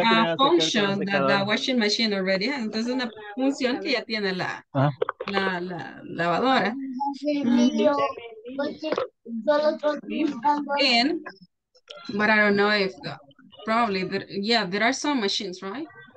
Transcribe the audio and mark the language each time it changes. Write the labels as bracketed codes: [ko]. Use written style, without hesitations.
[en] This is a function that the washing machine already has. [es] Entonces una función que ya tiene la la lavadora. [en] And but I don't know if probably there, yeah, there are some machines, right?